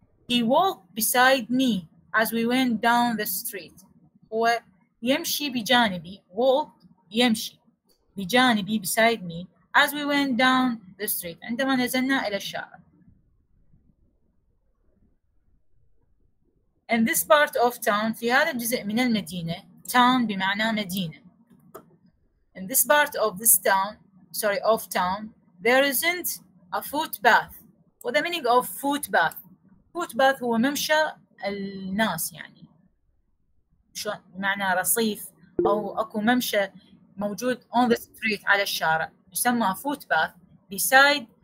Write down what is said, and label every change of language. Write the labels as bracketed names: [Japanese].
[English] He walked beside me as we went down the street. [Arabic] هو يمشي بجانبي. [English] Walked [Arabic] يمشي بجانبي [English] beside me as we went down the street. [Arabic] عندما نزلنا إلى الشارع. [English] In this part of town, [Arabic] في هذا الجزء من المدينة, town بمعنى مدينة. [English] In this part of this town, sorry, of town, there isn't a footpath. What the meaning of footpath? [Arabic] Footpath هو ممشى الناس يعني. شو بمعنى رصيف أو أكو ممشى موجود [English] on the street [Arabic] على الشارع. يسمى footpath beside